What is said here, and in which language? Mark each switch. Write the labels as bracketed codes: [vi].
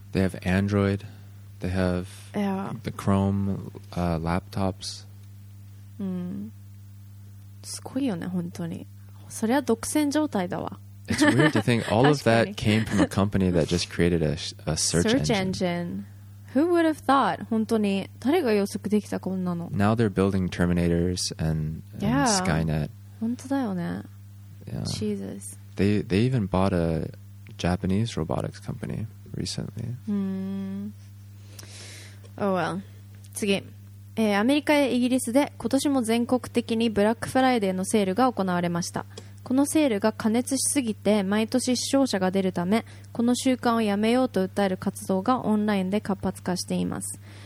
[en] They have Android. They have the Chrome laptops. [ja] すごいよね、本当に。それは独占状態だわ。 [en] It's weird to think all of that came from a company that just created a search engine. Who would have thought? [ja] 本当に誰が予測できたこんなの。 [en] Now they're building Terminators and Skynet. [ja] 本当だよね。Jesus. [en] They even bought a Japanese robotics company recently. Oh well. [ja] 次、アメリカやイギリスで今年も全国的にブラックフライデーのセールが行われました。このセールが過熱しすぎて毎年死傷者が出るため、この習慣をやめようと訴える活動がオンラインで活発化しています。